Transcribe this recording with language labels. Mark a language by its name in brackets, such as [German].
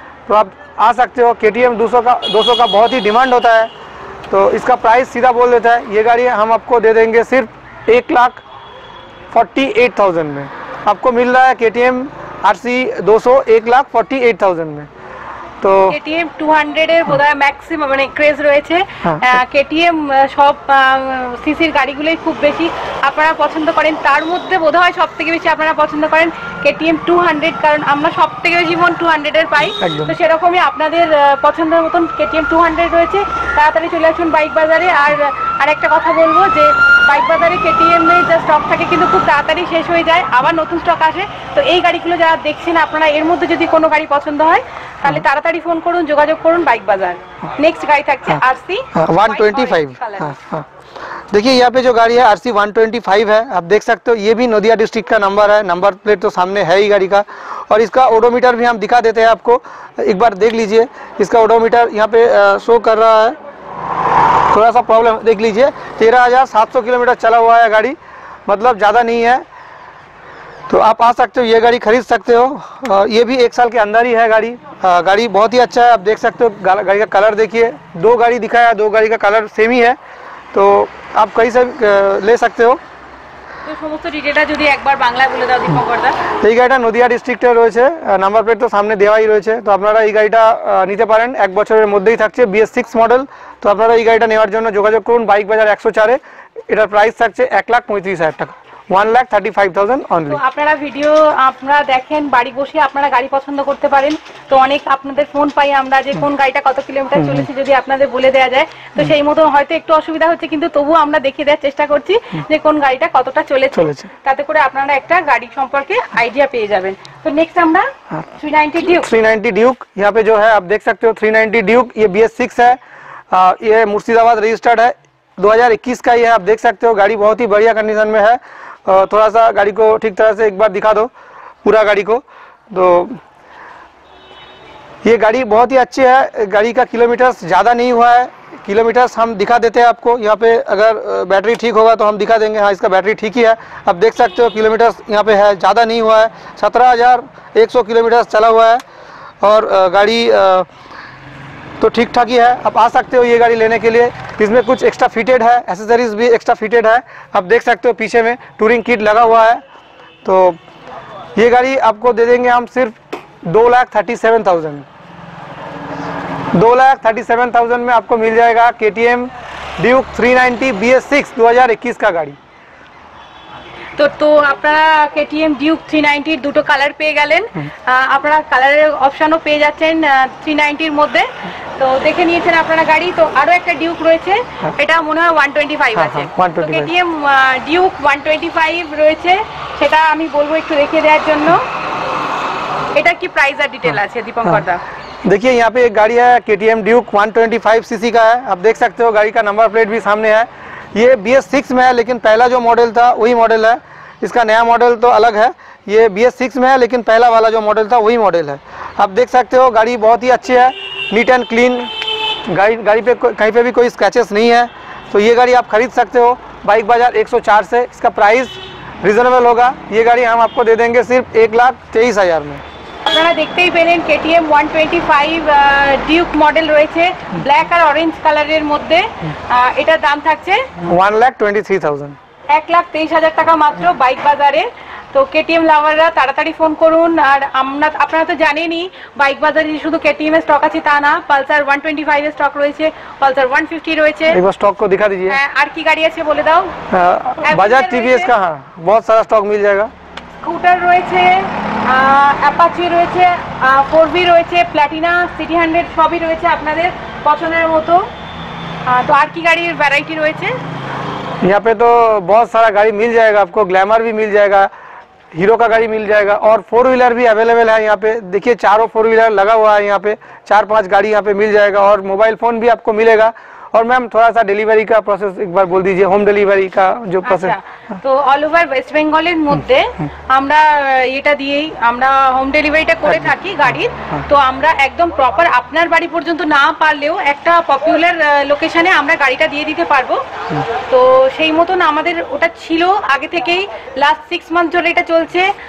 [Hindi] तो आप आ सकते हो, KTM 200 का बहुत ही डिमांड होता है, तो इसका प्राइस सीधा बोल देता है, ये गाड़ी हम आपको दे देंगे सिर्फ 1,48,000 में। आपको मिल रहा है KTM RC 200 1,48,000 में। [Bangla] তো KTM 200 এর বোধহয় ম্যাক্সিমাম মানে ক্রেজ রয়েছে, KTM সব সিসির গাড়িগুলোই খুব বেশি আপনারা পছন্দ করেন, তার মধ্যে বোধহয় সবথেকে বেশি আপনারা পছন্দ করেন KTM 200, কারণ আমরা সবথেকে বেশি মন 200 এর পাই। তো সেরকমই আপনাদের পছন্দের মতন KTM 200 রয়েছে, তাড়াতাড়ি চলে আসুন বাইক বাজারে। আর আরেকটা কথা বলবো যে বাইক বাজারে KTM এর যে স্টক থাকে কিন্তু খুব তাড়াতাড়ি শেষ হয়ে যায়, আবার নতুন স্টক আসে। তো এই গাড়িগুলো যারা দেখছেন আপনারা, এর মধ্যে যদি কোনো গাড়ি পছন্দ হয় তাহলে তাড়াতাড়ি ফোন করুন, যোগাযোগ করুন বাইক বাজার। নেক্সট গাড়ি থাকছে RC 125। [Hindi] देखिए यहाँ पे जो गाड़ी है RC 125 है, आप देख सकते हो, ये भी नदिया डिस्ट्रिक्ट का नंबर है, नंबर प्लेट तो सामने है ही गाड़ी का, और इसका ओडोमीटर भी हम दिखा देते हैं आपको, एक बार देख लीजिए इसका ओडोमीटर यहाँ पे शो कर रहा है, थोड़ा सा प्रॉब्लम, देख लीजिए 13,700 किलोमीटर चला हुआ है गाड़ी, मतलब ज़्यादा नहीं है। तो आप आ सकते हो, ये गाड़ी खरीद सकते हो, ये भी 1 साल के अंदर ही है गाड़ी, गाड़ी बहुत ही अच्छा है, आप देख सकते हो गाड़ी का कलर, देखिए दो गाड़ी दिखाया, दो गाड़ी का कलर सेम ही है, तो आप कहीं से ले सकते हो। [Bangla] এই গাড়িটা নদিয়া ডিস্ট্রিক্টে রয়েছে, নাম্বার প্লেট তো সামনে দেওয়াই রয়েছে, তো আপনারা এই গাড়িটা নিতে পারেন, 1 বছরের মধ্যেই থাকছে, BS6 মডেল। তো আপনারা এই গাড়িটা নেওয়ার জন্য যোগাযোগ করুন বাইক বাজার 104-এ, এটার প্রাইস থাকছে 1,35,000 টাকা, 1,35,000 only। আপনারা ভিডিও আপনারা দেখেন, বাড়ি বসে আপনারা গাড়ি পছন্দ করতে পারেন, তো অনেক আপনাদের ফোন পাই আমরা যে কোন গাড়িটা কত কিলোমিটার চলেছে যদি আপনাদের বলে দেওয়া যায়, তো সেই মতো হয়তো একটু অসুবিধা হচ্ছে কিন্তু তবু আমরা দেখিয়ে দেওয়ার চেষ্টা করছি যে কোন গাড়িটা কতটা চলেছে, তাতে করে আপনারা একটা গাড়ি সম্পর্কে আইডিয়া পেয়ে যাবেন। তো নেক্সট আমরা 390 Duke, [Hindi] यहां पे जो है आप देख सकते हो 390 Duke, ये BS6 है, ये মুর্শিদাবাদ রেজিস্টার্ড है, 2021 का ही है, आप देख सकते हो गाड़ी बहुत ही बढ़िया कंडीशन में है, थोड़ा सा गाड़ी को ठीक तरह से एक बार दिखा दो पूरा गाड़ी को, तो ये गाड़ी बहुत ही अच्छी है, गाड़ी का किलोमीटर्स ज़्यादा नहीं हुआ है, किलोमीटर्स हम दिखा देते हैं आपको, यहाँ पे अगर बैटरी ठीक होगा तो हम दिखा देंगे, हाँ इसका बैटरी ठीक ही है, आप देख सकते हो किलोमीटर्स यहाँ पे है, ज़्यादा नहीं हुआ है, 17,100 किलोमीटर्स चला हुआ है, और गाड़ी तो ठीक ठाक ही है, आप आ सकते हो ये गाड़ी लेने के लिए, इसमें कुछ एक्स्ट्रा फिटेड है, एसेसरीज भी एक्स्ट्रा फिटेड है, आप देख सकते हो पीछे में टूरिंग किट लगा हुआ है, तो ये गाड़ी आपको दे देंगे हम सिर्फ 2,37,000 में आपको मिल जाएगा KTM Duke 390 BS6 2021 का गाड़ी। [Bangla] তো আপনারা KTM Duke 390 দুটো কালার পেয়ে গেলেন, আপনারা কালারের অপশনও পেয়ে যাচ্ছেন 390-র মধ্যে, তো দেখে নিয়েছেন আপনারা গাড়ি। তো আরো একটা Duke রয়েছে, এটা মনে হয় 125 আছে, KTM Duke 125 রয়েছে, সেটা আমি বলবো একটু দেখিয়ে দেওয়ার জন্য, এটা কি প্রাইস আর ডিটেইল আছে দীপঙ্কর দা? [Hindi] देखिए यहाँ पे एक गाड़ी है KTM Duke 125 CC का है, आप देख सकते हो गाड़ी का नंबर प्लेट भी सामने है, ये BS6 में है लेकिन पहला जो मॉडल था वही मॉडल है, इसका नया मॉडल तो अलग है, ये BS6 में है लेकिन पहला वाला जो मॉडल था वही मॉडल है, आप देख सकते हो गाड़ी बहुत ही अच्छी है, नीट एंड क्लीन गाड़ी, गाड़ी पे कहीं पे भी कोई स्क्रैचेस नहीं है, तो ये गाड़ी आप खरीद सकते हो बाइक बाजार 104 से, इसका प्राइस रिजनेबल होगा, ये गाड़ी हम आपको दे देंगे सिर्फ 1,23,000 में। [Bangla] আপনারা দেখতেই পেলেন KTM 125 Duke মডেল রয়েছে, ব্ল্যাক আর অরেঞ্জ কালারের মধ্যে, এটা দাম থাকছে 1,23,000, 1,23,000 টাকা মাত্র বাইক বাজারে। তো KTM লাভাররা তাড়াতাড়ি ফোন করুন, আর আপনারা তো জানেনই বাইক বাজারে শুধু KTM এর স্টক আছে তা না, পালসার 125 এর স্টক রয়েছে, পালসার 150 রয়েছে, [Hindi] একবার স্টক কো দেখা দিজিয়ে। [Bangla] হ্যাঁ, আর কি গাড়ি আছে বলে দাও, [Hindi] বাজাজ টিভিএস কা, হ্যাঁ বহুত সারা স্টক মিল জায়গা, [Bangla] স্কুটার রয়েছে, অ্যাপাচি রয়েছে, 4V রয়েছে, প্ল্যাটিনা, সিটি 100 সবই রয়েছে আপনাদের পছন্দের মতো। তো আর কি গাড়ির ভ্যারাইটি রয়েছে? [Hindi] यहां पे तो बहुत सारा गाड़ी मिल जाएगा आपको, ग्लैमर भी मिल जाएगा, हीरो का गाड़ी मिल जाएगा, और फोर व्हीलर भी अवेलेबल है यहाँ पे, देखिए चारों फोर व्हीलर लगा हुआ है यहाँ पे, 4-5 गाड़ी यहाँ पे मिल जाएगा, और मोबाइल फोन भी आपको मिलेगा, और मैम थोड़ा सा डिलीवरी का प्रोसेस एक बार बोल दीजिए, होम डिलीवरी का जो प्रोसेस। [Bangla] तो ऑल ओवर वेस्ट বেঙ্গলের মধ্যে আমরা এটা দিয়েই আমরা হোম ডেলিভারিটা করে থাকি গাড়ির। তো আমরা একদম প্রপার আপনার বাড়ি পর্যন্ত না পারলেও একটা পপুলার লোকেশনে আমরা গাড়িটা দিয়ে দিতে পারবো। তো সেই মতন আমাদের ওটা ছিল আগে থেকেই, লাস্ট 6 মান্থ ধরে এটা চলছে।